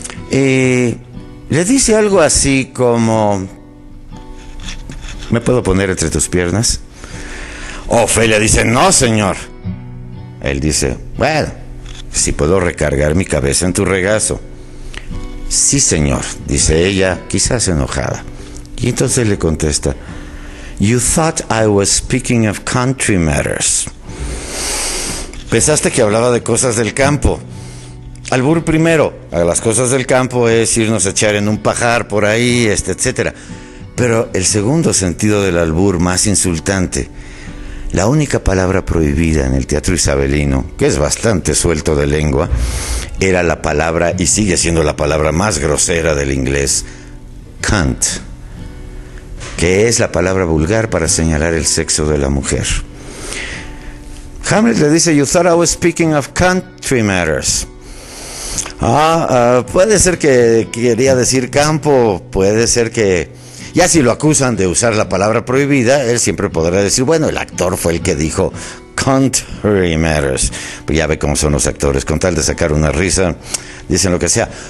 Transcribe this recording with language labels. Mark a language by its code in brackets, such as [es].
[es] Le dice algo así como: ¿me puedo poner entre tus piernas? Ofelia dice: no, señor. Él dice: bueno, si puedo recargar mi cabeza en tu regazo. Sí, señor, dice ella, quizás enojada. Y entonces le contesta: [en] you thought I was speaking of country matters. [es] Pensaste que hablaba de cosas del campo. Albur primero, a las cosas del campo es irnos a echar en un pajar por ahí, etc. Pero el segundo sentido del albur, más insultante, la única palabra prohibida en el teatro isabelino, que es bastante suelto de lengua, era la palabra, y sigue siendo la palabra más grosera del inglés, cunt, que es la palabra vulgar para señalar el sexo de la mujer. Hamlet le dice: [en] you thought I was speaking of country matters. [es] Puede ser que quería decir campo, puede ser que... Ya si lo acusan de usar la palabra prohibida, él siempre podrá decir: bueno, el actor fue el que dijo country matters. Pues ya ve cómo son los actores, con tal de sacar una risa, dicen lo que sea.